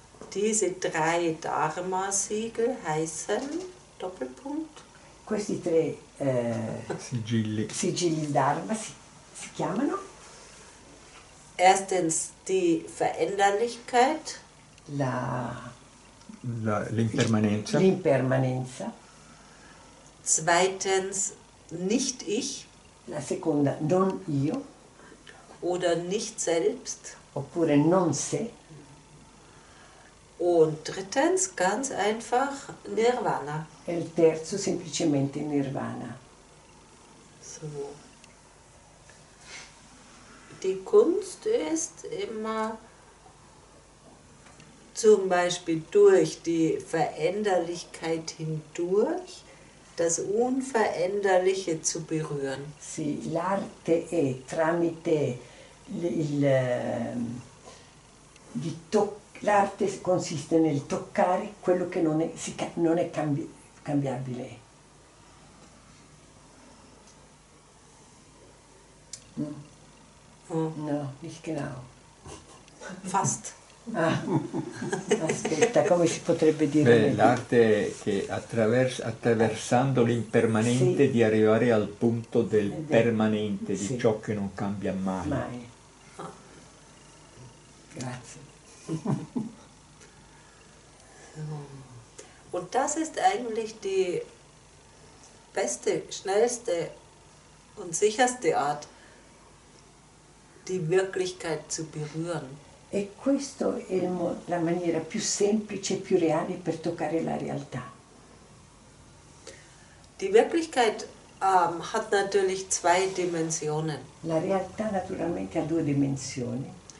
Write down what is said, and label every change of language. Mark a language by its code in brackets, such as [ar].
[de] Diese drei Dharma-Siegel heißen, Doppelpunkt, [it] questi tre sigilli. Sigilli Dharma si chiamano? [de] Erstens die Veränderlichkeit. [it] L'impermanenza. L'impermanenza. [de] Zweitens nicht ich. [it] La seconda, non io. [de] Oder nicht selbst. [it] Oppure non sé. [de] Und drittens, ganz einfach, Nirvana. [it] Il terzo, semplicemente Nirvana. [de] So. Die Kunst ist immer, zum Beispiel durch die Veränderlichkeit hindurch, das Unveränderliche zu berühren. [it] Sì, l'arte è tramite il tocco. L'arte consiste nel toccare quello che non è cambiabile. [de] No, nicht genau. Fast. Ah. [it] Aspetta, come si potrebbe dire? Beh, l'arte è che attraversando l'impermanente, sì, di arrivare al punto del permanente, di, sì, ciò che non cambia mai. Mai. Grazie. [de] Und das ist eigentlich die beste, schnellste und sicherste Art, die Wirklichkeit zu berühren. [it] E questo è la maniera più semplice e più reale per toccare la realtà. [de] Die Wirklichkeit hat natürlich zwei Dimensionen. [it] La realtà naturalmente ha due dimensioni.